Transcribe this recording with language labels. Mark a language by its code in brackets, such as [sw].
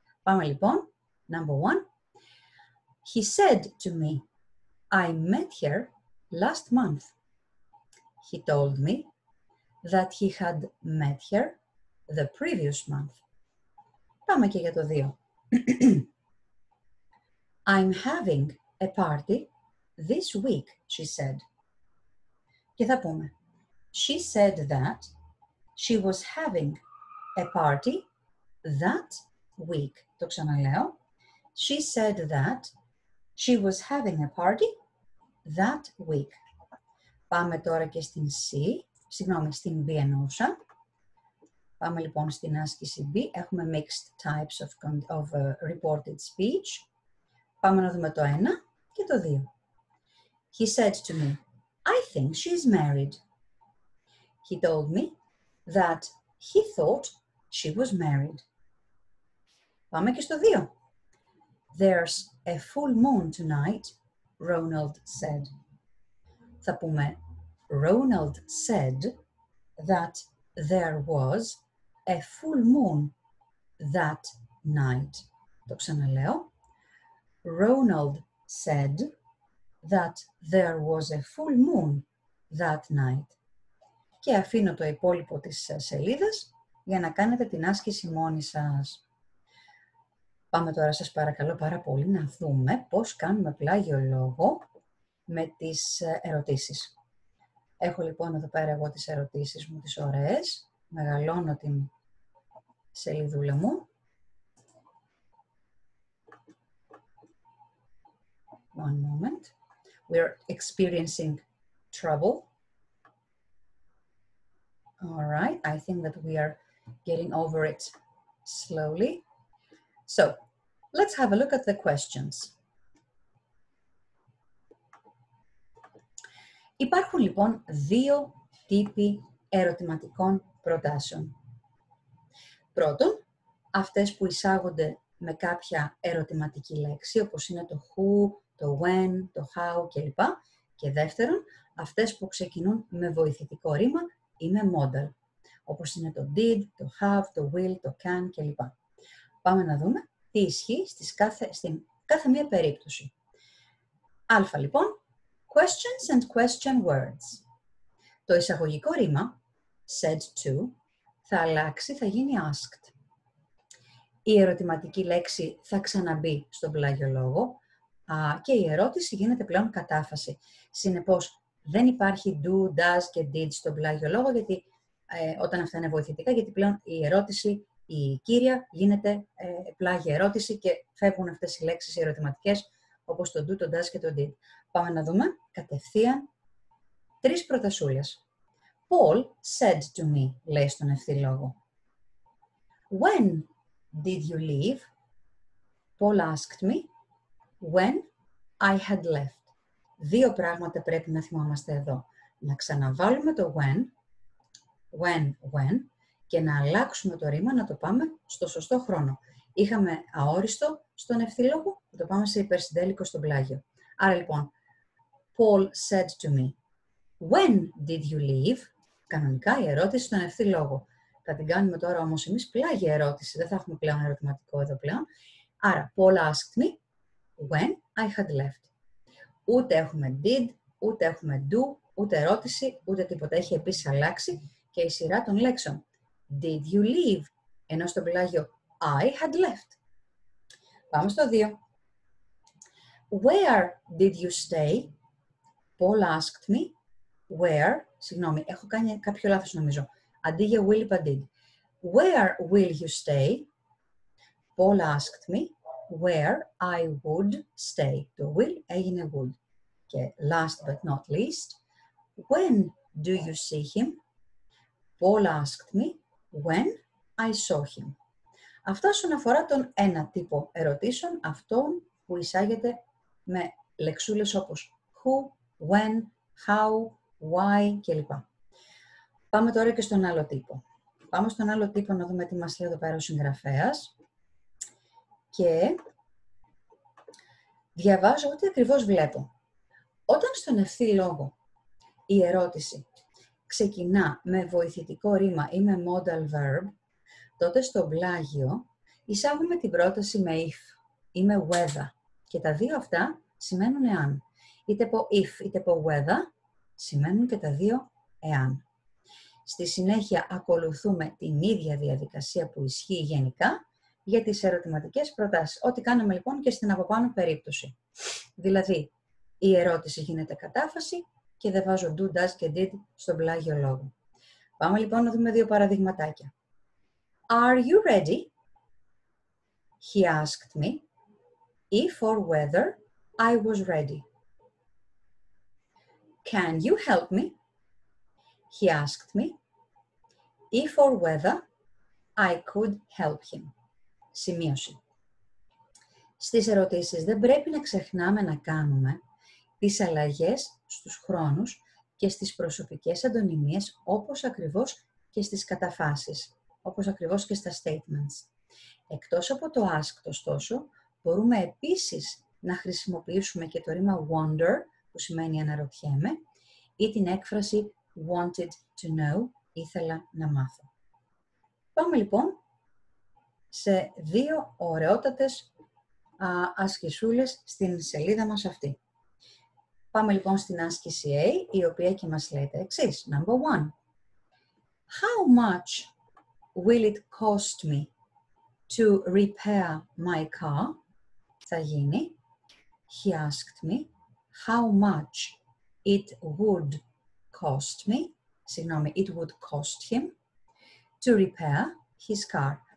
[el] Πάμε λοιπόν, [en] number one. He said to me, I met her last month. He told me that he had met her the previous month. [el] Πάμε και για το δύο. [en] I'm having a party this week, she said. [el] Και θα πούμε. [en] She said that she was having a party that week. [el] Το ξαναλέω. [en] She said that she was having a party that week. [el] Πάμε τώρα και στην C. Συγγνώμη, στην B εννοούσα. Πάμε λοιπόν στην άσκηση B. Έχουμε [en] mixed types of reported speech. [el] Πάμε να δούμε το ένα και το δύο. [en] He said to me, I think she's married. He told me that he thought she was married. [el] Πάμε και στο δύο. [en] There's a full moon tonight, Ronald said. [el] Θα πούμε, [en] Ronald said that there was a full moon that night. [el] Το ξαναλέω. [en] Ronald said that there was a full moon that night. [el] Και αφήνω το υπόλοιπο της σελίδας για να κάνετε την άσκηση μόνοι σας. Πάμε τώρα, σας παρακαλώ πάρα πολύ, να δούμε πώς κάνουμε πλάγιο λόγο με τις ερωτήσεις. Έχω λοιπόν εδώ πέρα εγώ τις ερωτήσεις μου, τις ωραίες. Μεγαλώνω την σελίδουλα μου. [en] One moment. We are experiencing trouble. All right. I think that we are getting over it slowly. So, let's have a look at the questions. [el] Υπάρχουν λοιπόν δύο τύποι ερωτηματικών προτάσεων. Πρώτον, αυτές που εισάγονται με κάποια ερωτηματική λέξη, όπως είναι το who, το when, το how κλπ. Και δεύτερον, αυτές που ξεκινούν με βοηθητικό ρήμα ή με model, όπως είναι το did, το have, το will, το can κλπ. Πάμε να δούμε τι ισχύει στην κάθε μία περίπτωση. Α, λοιπόν, [en] questions and question words. [el] Το εισαγωγικό ρήμα, said to, θα αλλάξει, θα γίνει asked. Η ερωτηματική λέξη θα ξαναμπεί στον πλάγιο λόγο, και η ερώτηση γίνεται πλέον κατάφαση. Συνεπώς, δεν υπάρχει do, does και did στον πλάγιο λόγο, γιατί όταν αυτά είναι βοηθητικά, γιατί πλέον η ερώτηση η κύρια, γίνεται πλάγια ερώτηση και φεύγουν αυτές οι λέξεις οι ερωτηματικές, όπως το do, το does και το did. Πάμε να δούμε κατευθείαν τρεις προτασούλες. [en] Paul said to me, [el] λέει στον ευθυλόγο. [en] When did you leave? Paul asked me. When I had left. [el] Δύο πράγματα πρέπει να θυμόμαστε εδώ. Να ξαναβάλουμε το when, when, και να αλλάξουμε το ρήμα να το πάμε στο σωστό χρόνο. Είχαμε αόριστο στον ευθυλόγο, το πάμε σε υπερσυντέλικο στον πλάγιο. Άρα λοιπόν, [en] Paul said to me, when did you leave? [el] Κανονικά η ερώτηση στον ευθυλόγο. Θα την κάνουμε τώρα όμως εμείς πλάγια ερώτηση, δεν θα έχουμε πλέον ερωτηματικό εδώ πλέον. Άρα, [en] Paul asked me, when I had left. [el] Ούτε έχουμε did, ούτε έχουμε do, ούτε ερώτηση, ούτε τίποτα. Έχει επίσης αλλάξει και η σειρά των λέξεων. [en] Did you leave? [el] Ενώ στο πλάγιο [en] I had left. [el] Πάμε στο 2. [en] Where did you stay? Paul asked me. [el] Where, συγγνώμη, έχω κάνει κάποιο λάθος νομίζω. Αντί για will, είπα did. [en] Where will you stay? Paul asked me. Where I would stay. [el] Το will έγινε would. [en] Και last but not least, when do you see him? Paul asked me when I saw him. [el] Αυτά όσον αφορά τον ένα τύπο ερωτήσεων, αυτόν που εισάγεται με λεξούλες όπως who, when, how, why κλπ. Πάμε τώρα και στον άλλο τύπο. Πάμε στον άλλο τύπο να δούμε τι μας λέει εδώ πέρα ο συγγραφέας. Και διαβάζω ό,τι ακριβώς βλέπω. Όταν στον ευθύλόγο η ερώτηση ξεκινά με βοηθητικό ρήμα ή με modal verb, τότε στο πλάγιο εισάγουμε την πρόταση με if ή με whether. Και τα δύο αυτά σημαίνουν εάν. Είτε πω if είτε πω whether, σημαίνουν και τα δύο εάν. Στη συνέχεια ακολουθούμε την ίδια διαδικασία που ισχύει γενικά για τις ερωτηματικές προτάσεις. Ό,τι κάναμε λοιπόν και στην από πάνω περίπτωση. Δηλαδή, η ερώτηση γίνεται κατάφαση και δεν βάζω do, does και did στον πλάγιο λόγο. Πάμε λοιπόν να δούμε δύο παραδειγματάκια. [en] Are you ready? He asked me if or whether I was ready. Can you help me? He asked me if or whether I could help him. [el] Σημείωση. Στις ερωτήσεις δεν πρέπει να ξεχνάμε να κάνουμε τις αλλαγές στους χρόνους και στις προσωπικές αντωνυμίες, όπως ακριβώς και στις καταφάσεις, όπως ακριβώς και στα statements. Εκτός από το ask, ωστόσο, μπορούμε επίσης να χρησιμοποιήσουμε και το ρήμα wonder, που σημαίνει αναρωτιέμαι, ή την έκφραση [en] wanted to know, [el] ήθελα να μάθω. Πάμε λοιπόν σε δύο ωραιότατες ασκησούλες στην σελίδα μας αυτή. Πάμε λοιπόν στην άσκηση A, η οποία και μας λέει τα εξής. [en] Number one. How much will it cost me to repair my car? [el] Θα γίνει. [en] He asked me how much it would cost me. [el] Συγγνώμη, [en] it would cost him to repair his car.